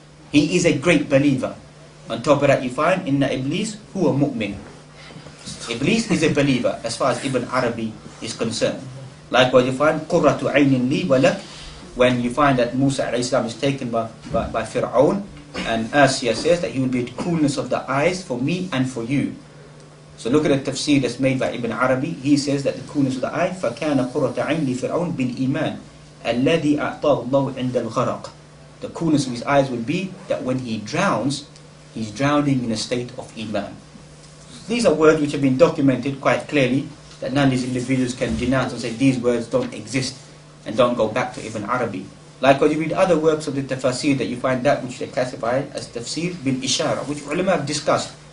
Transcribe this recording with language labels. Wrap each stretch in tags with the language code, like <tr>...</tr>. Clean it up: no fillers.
<en>He is a great believer. On top of that you find,</en> <ar>إِنَّ Iblis هُوَ مُؤْمِن</ar> <en>Iblis is a believer as far as Ibn Arabi is concerned. Likewise, you find</en> <ar>قُرَّةُ عَيْنٍ لِي وَلَكْ</ar> <en>When you find that Musa alayhi salam is taken by Fir'aun, and Asiya says that he will be the coolness of the eyes for me and for you. So look at the tafsir that's made by Ibn Arabi. He says that the coolness of the eye,</en> <ar>فَكَانَ قُرَّةَ عَيْنِ فِرْعَوْنْ بِالْإِيمَانِ الَّذِي أَعْطَاهُ اللَّهُ عِنْدَ الْغَرَقِ.</ar> <en>The coolness of his eyes would be that when he drowns, he's drowning in a state of Iman. These are words which have been documented quite clearly, that none of these individuals can denounce and say these words don't exist and don't go back to Ibn Arabi. Likewise, you read other works of the tafsir that you find that which they classify as tafsir bil ishara, which ulama have discussed.</en>